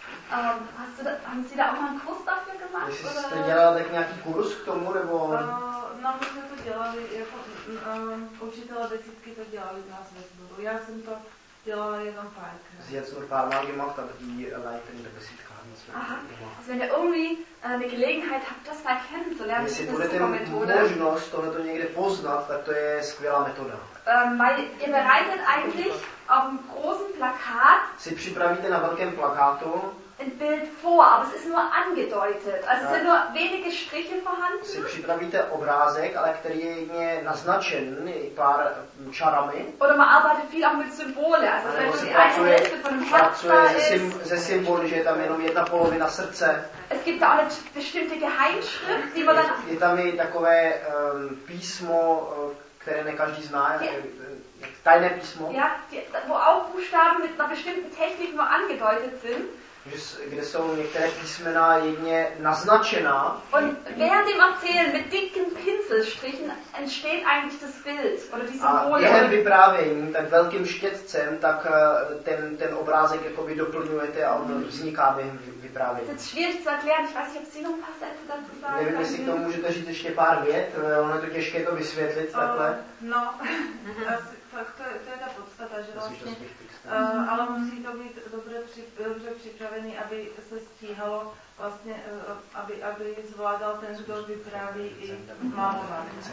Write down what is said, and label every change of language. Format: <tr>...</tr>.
<de>Haben Sie da auch mal einen Kurs dafür gemacht?</de> <cs>Jsi jste dělal nějaký kurz k tomu, nebo? No, my jsme to dělali, jako učitele desítky to dělali z nás vesbudu. Já jsem to dělala jenom párkrát.</cs> <de>Sie hat so ein paar Mal gemacht, aber die Leitung der Besitka haben es wirklich gemacht. Also wenn ihr irgendwie eine Gelegenheit habt, das mal kennenzulernen, ist das eine Methode.</de> <cs>Jestli budete možnost tohleto někde poznat, tak to je skvělá metoda.</cs> <de>Weil ihr bereitet eigentlich auf einem großen Plakat.</de> <cs>Si připravíte na velkém plakátu.</cs> <de>Ein Bild vor, aber es ist nur angedeutet. Also es sind nur wenige Striche vorhanden.</de> <cs>Si připravíte obrázek, ale který je jedině naznačen pár čarami.</cs> <de>Oder man arbeitet viel auch mit Symbole. Also wenn die eine Hälfte von einem Herz da ist.</de> <cs>Ze symboly, že je tam jenom jedna polovina srdce.</cs> <de>Es gibt da auch eine bestimmte Geheimschrift, die man dann...</de> <cs>Je tam i takové písmo, které ne každý zná. Tajné písmo.</cs> <de>Ja, wo auch Buchstaben mit einer bestimmten Technik nur angedeutet sind.</de> <cs>Kde jsou některé písmena jedně naznačená.</cs> <de>Und wer dem erzählen mit dicken Pinselstrichen entsteht eigentlich das Bild oder die Symbole.</de> <cs>A během vyprávění tak velkým štětcem, tak ten obrázek jakoby doplňujete a on vzniká během vyprávění.</cs> <de>Das ist schwierig zu erklären. Ich weiß nicht, ob Sie noch was dazu sagen.</de> <cs>Nevím, jestli k tomu můžete říct ještě pár vět. Ono je to těžké to vysvětlit takhle. No, to je ta podstata, že vlastně... Ale musí to být dobře připravený, aby se stíhalo vlastně, aby zvládal ten, kdo vypráví i malovat.</cs>